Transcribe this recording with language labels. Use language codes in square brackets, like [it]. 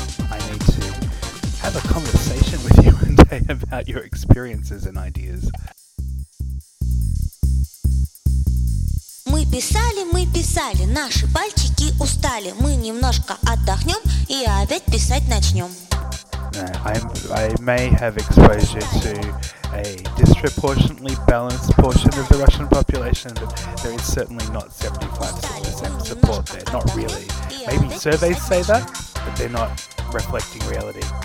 [en] I need to have a conversation with you one day about your experiences and ideas. [ru] Мы писали, мы писали, наши пальчики устали. Мы немножко отдохнем и опять писать начнем. [en] I may have exposure to a disproportionately balanced portion of the Russian population, but there is certainly not 75% support there, not really. Maybe surveys say that, but they're not reflecting reality.